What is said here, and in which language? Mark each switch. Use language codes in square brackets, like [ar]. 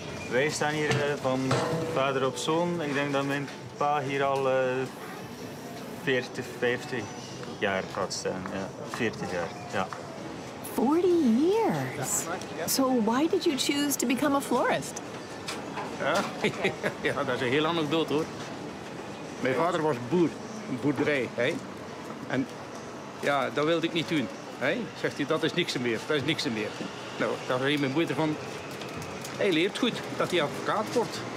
[nl] Wij staan hier van vader op zoon. Ik denk dat mijn pa hier al 40, 50 jaar gaat staan. Ja. 40 jaar, ja. [en] 40 years? So why did you choose to become a florist? [nl] Ja? Ja, dat is een heel anekdote hoor. Mijn vader was boer, een boerderij. Hè? En ja, dat wilde ik niet doen. Hè? Zegt hij, dat is niks meer, dat is niks meer. Nou, daar zei mijn moeder van, hij leert goed dat hij advocaat wordt.